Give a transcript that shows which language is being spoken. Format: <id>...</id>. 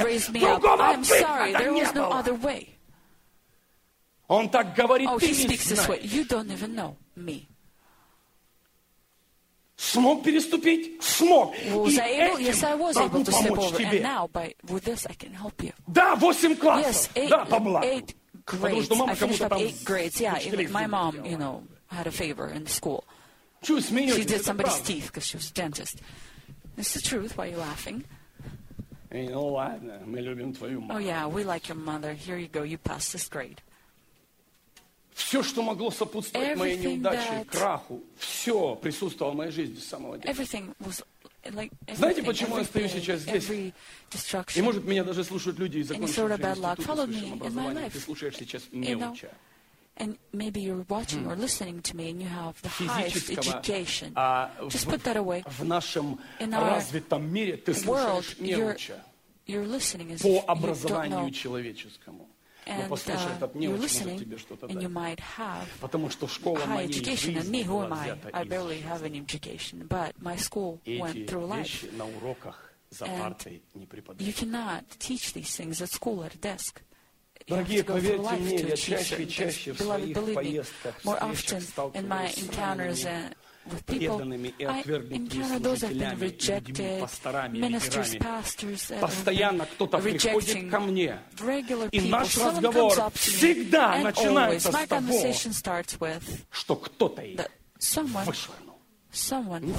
<ru>Другого выхода не было. Он так говорит, ты не знаешь. Смог переступить? Смог. И этим могу помочь тебе. Да, 8 классов. Да, по благу. Потому что мама кому-то там учителей заменила.</ru> <en>Had a favor in school. She did somebody's teeth because she was a dentist. It's the truth. Why are you laughing? You know what?</en> <ru>Мы любим твою маму.</ru> <en>Oh yeah, we like your mother. Here you go. You passed this grade.</en> <ru>Все, что могло сопутствовать моей неудаче, краху, все присутствовало в моей жизни с самого детства.</ru> <en>Everything was like.</en> <ru>Знаете, почему я стою сейчас здесь? И может меня даже слушают люди из закончившего института высшего образования. Ты слушаешь сейчас неуча.</ru> <en>And maybe you're watching or listening to me and you have the highest education. Just put that away.</en> <ru>В нашем развитом мире ты слушаешь неуча.</ru> <en>You're listening as</en> <ru>по образованию человеческому. Но послушай, этот неуч может тебе что-то дать. Потому что школа моей жизни была взята из.</ru> <en>I barely have any education, but my school went through life.</en> <ru>Эти вещи на уроках за партой не преподают.</ru> <en>You cannot teach these things at school at a desk.</en> <ru>Дорогие, поверьте мне, я чаще и чаще в своих поездках, встречах сталкиваюсь с</ru> <en>with people. I encounter those who have been rejected, ministers, pastors that have been rejecting regular people. Someone comes up to me, and always my conversation starts with that someone</en>